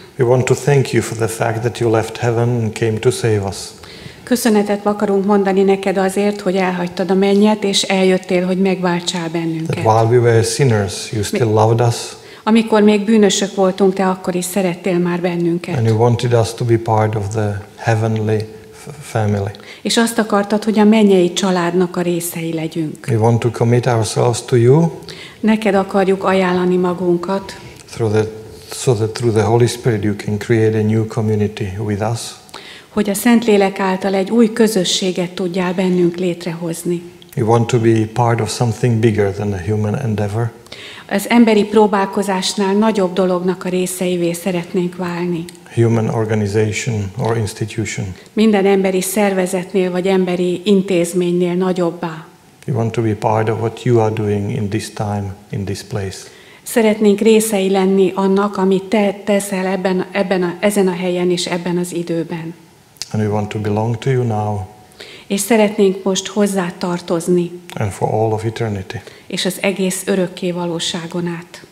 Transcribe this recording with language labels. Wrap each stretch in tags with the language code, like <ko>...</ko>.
<en>we want to thank you for the fact that you left heaven and came to save us.</en> <hu>Köszönetet akarunk mondani neked azért, hogy elhagytad a mennyet és eljöttél, hogy megváltsál bennünket.</hu> <en>That while we were sinners, you still loved us.</en> <hu>Amikor még bűnösök voltunk, te akkor is szerettél már bennünket.</hu> <en>And you wanted us to be part of the heavenly family.</en> <hu>És azt akartad, hogy a mennyei családnak a részei legyünk.</hu> <en>We want to commit ourselves to you.</en> <hu>Neked akarjuk ajánlani magunkat.</hu> <en>Through the Holy Spirit you can create a new community with us.</en> <hu>Hogy a Szentlélek által egy új közösséget tudjál bennünk létrehozni.</hu> <en>We want to be part of something bigger than a human endeavor.</en> <hu>Az emberi próbálkozásnál nagyobb dolognak a részeivé szeretnénk válni.</hu> <en>Human organization or institution.</en> <hu>Minden emberi szervezetnél vagy emberi intézménynél nagyobbá.</hu> <en>We want to be part of what you are doing in this time, in this place.</en> <hu>Szeretnénk részei lenni annak, amit te teszel ezen a helyen és ebben az időben.</hu> <en>And we want to belong to you now.</en> <hu>És szeretnénk most hozzá tartozni.</hu> <en>And for all of eternity.</en> <hu>És az egész örökké valóságon át.</hu>